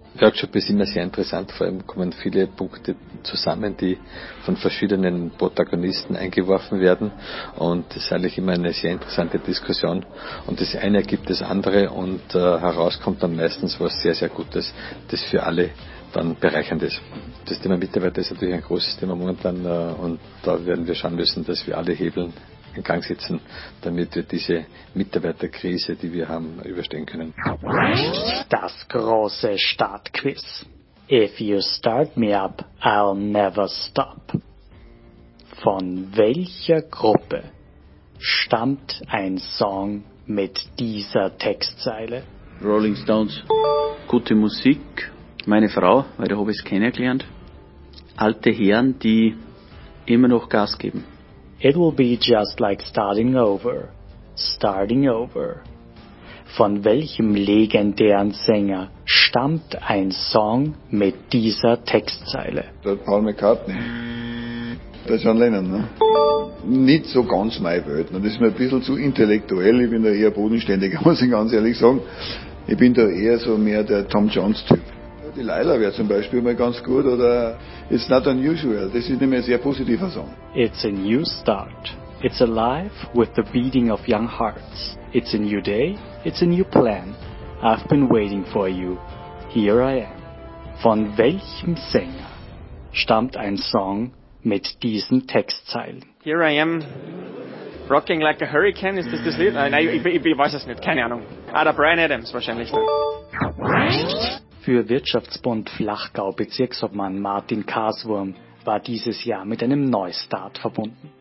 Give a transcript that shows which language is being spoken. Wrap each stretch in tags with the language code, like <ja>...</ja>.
<de>Workshop ist immer sehr interessant, vor allem kommen viele Punkte zusammen, die von verschiedenen Protagonisten eingeworfen werden und das ist eigentlich immer eine sehr interessante Diskussion und das eine ergibt das andere und herauskommt dann meistens was sehr, sehr Gutes, das für alle dann bereichernd ist. Das Thema Mitarbeiter ist natürlich ein großes Thema momentan und da werden wir schauen müssen, dass wir alle Hebeln in Gang setzen, damit wir diese Mitarbeiterkrise, die wir haben, überstehen können. Das große Startquiz.</de> <en>If you start me up, I'll never stop.</en> <de>Von welcher Gruppe stammt ein Song mit dieser Textzeile? Rolling Stones. Gute Musik. Meine Frau, weil da habe ich es kennengelernt. Alte Herren, die immer noch Gas geben.</de> <en>It will be just like starting over. Starting over.</en> <de>Von welchem legendären Sänger stammt ein Song mit dieser Textzeile? Der Paul McCartney. Der John Lennon, ne? Nicht so ganz meine Welt. Ne? Das ist mir ein bisschen zu intellektuell. Ich bin da eher bodenständiger, muss ich ganz ehrlich sagen. Ich bin da eher so mehr der Tom Jones-Typ. Die Leila wäre zum Beispiel mal ganz gut, oder It's Not Unusual, das ist nämlich ein sehr positiver Song.</de> <en>It's a new start. It's alive with the beating of young hearts. It's a new day, it's a new plan. I've been waiting for you, here I am.</en> <de>Von welchem Sänger stammt ein Song mit diesen Textzeilen?</de> <en>Here I am, rocking like a hurricane,</en> <de>ist das das Lied? Nein, ich weiß es nicht, keine Ahnung. Ah, der Brian Adams wahrscheinlich. Für Wirtschaftsbund Flachgau Bezirksobmann Martin Kaswurm war dieses Jahr mit einem Neustart verbunden.</de>